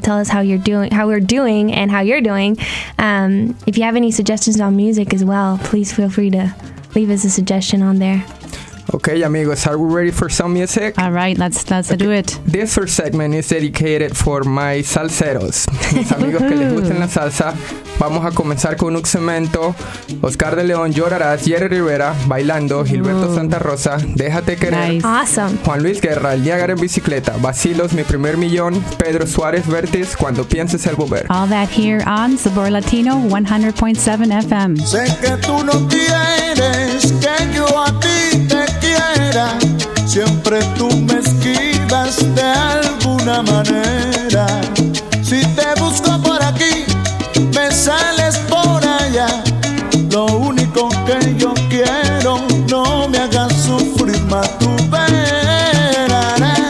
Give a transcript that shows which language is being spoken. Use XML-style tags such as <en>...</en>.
<en>Tell us how you're doing, how we're doing, and how you're doing. If you have any suggestions on music as well, please feel free to leave us a suggestion on there. Okay, amigos, are we ready for some music? All right, let's do it. This first segment is dedicated for my salseros.</en> <es>Mis amigos que les gusten la salsa, vamos a comenzar con un cemento. Oscar de León, Llorarás, Jerry Rivera, Bailando, Gilberto Santa Rosa, Déjate Querer.</es> <en>Nice. Awesome.</en> <es>Juan Luis Guerra, El Niágara en Bicicleta, Vacilos, Mi Primer Millón, Pedro Suárez, Vértiz, Cuando Pienses El Volver.</es> <en>All that here on Sabor Latino 100.7 FM.</en> <es>Sé que tú no quieres que yo a ti te quiera. Siempre tú me esquivas de alguna manera. Si te busco por aquí, me sales por allá. Lo único que yo quiero, no me hagas sufrir más tu pena.</es>